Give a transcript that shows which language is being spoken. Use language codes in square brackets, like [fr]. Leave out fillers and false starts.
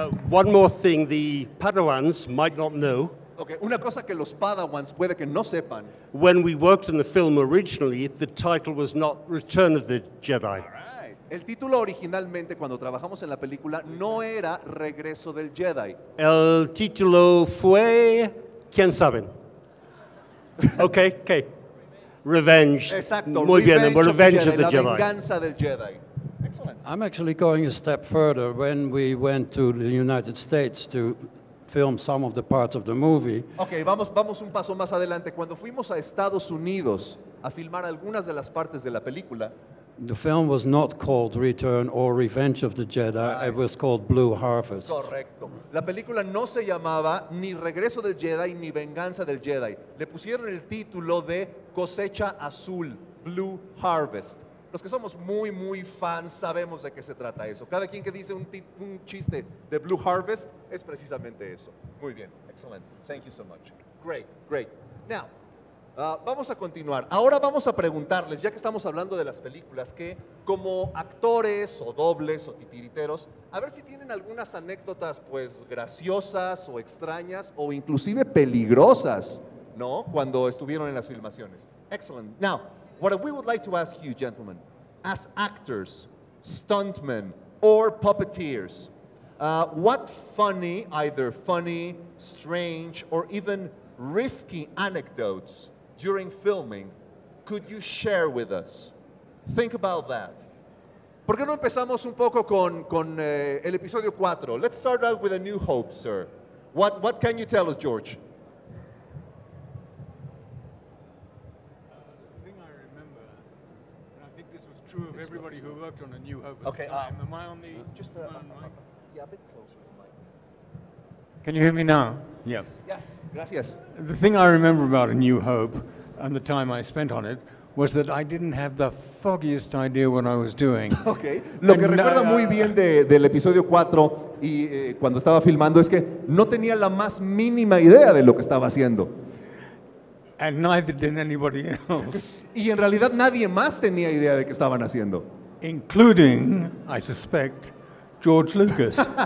[en] One more thing the Padawans might not know. [es] Okay, una cosa que los Padawans puede que no sepan. [en] When we worked in the film originally, the title was not Return of the Jedi. All right. [es] El título originalmente cuando trabajamos en la película no era Regreso del Jedi. El título fue, ¿quién saben? Okay, okay. Revenge. Exacto. Muy [en] revenge bien, revenge of the [es] la [en] Jedi. [es] La venganza del Jedi. Excellent. [en] I'm actually going a step further. When we went to the United States to film some of the parts of the movie. [es] Okay, vamos un paso más adelante. Cuando fuimos a Estados Unidos a filmar algunas de las partes de la película. [en] The film was not called Return or Revenge of the Jedi. Right. It was called Blue Harvest. [es] Correcto. La película no se llamaba ni Regreso del Jedi ni Venganza del Jedi. Le pusieron el título de Cosecha Azul, Blue Harvest. Los que somos muy, muy fans sabemos de qué se trata eso. Cada quien que dice un chiste de Blue Harvest es precisamente eso. Muy bien. [en] Excellent. Thank you so much. Great, great. [es] Now, vamos a continuar. Ahora vamos a preguntarles, ya que estamos hablando de las películas, que como actores o dobles o titiriteros, a ver si tienen algunas anécdotas pues graciosas o extrañas o inclusive peligrosas, ¿no? Cuando estuvieron en las filmaciones. Excellent. [en] Now, what we would like to ask you, gentlemen, as actors, stuntmen, or puppeteers, what funny, either funny, strange, or even risky anecdotes during filming, could you share with us? Think about that. [es] ¿Por qué no empezamos un poco con el episodio 4? [en] Let's start out with A New Hope, sir. What can you tell us, George? The thing I remember, and I think this was true of everybody who worked on A New Hope. Okay, am I on the just a, mic? Yeah, a bit closer to the mic. Can you hear me now? Yeah. Yes, gracias. The thing I remember about A New Hope and the time I spent on it was that I didn't have the foggiest idea what I was doing. Okay. [es] Lo que recuerda muy bien del episodio 4 y cuando estaba filmando es que no tenía la más mínima idea de lo que estaba haciendo. [en] And neither did anybody else. [es] Y en realidad nadie más tenía idea de qué estaban haciendo. [en] Including, I suspect, George Lucas.